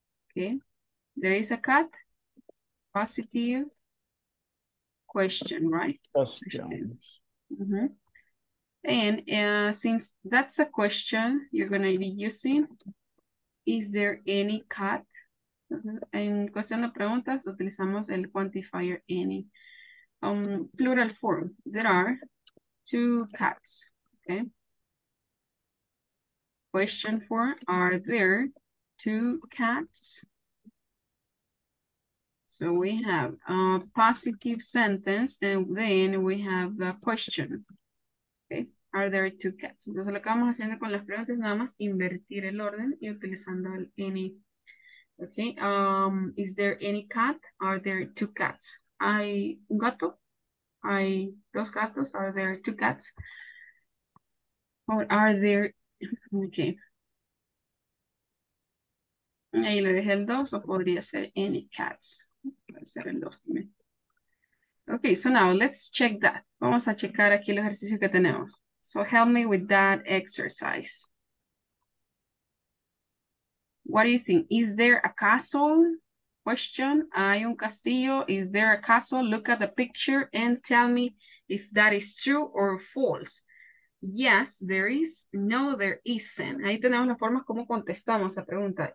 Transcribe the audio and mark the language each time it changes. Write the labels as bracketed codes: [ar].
[en] Okay, there is a cat. Positive. Question, right? Questions. Mm-hmm. And since that's a question, you're going to be using, is there any cat? [es] En cuestión de preguntas, utilizamos el quantifier any. [en] Plural form. There are two cats. Okay. Question form. Are there two cats? So we have a positive sentence and then we have a question. Okay. Are there two cats? [es] Entonces lo que vamos haciendo con las preguntas es nada más invertir el orden y utilizando el any. [en] Okay, is there any cat? Are there two cats? [es] ¿Hay un gato? ¿Hay dos gatos? [en] Are there two cats? Or are there, okay. [es] Ahí le dejé el dos, o podría ser any cats. Puede ser el dos también. [en] Okay, so now let's check that. [es] Vamos a checar aquí el ejercicio que tenemos. [en] So help me with that exercise. What do you think? Is there a castle? Question. [es] Hay un castillo. [en] Is there a castle? Look at the picture and tell me if that is true or false. Yes, there is. No, there isn't. [es] Ahí tenemos la forma como contestamos la pregunta.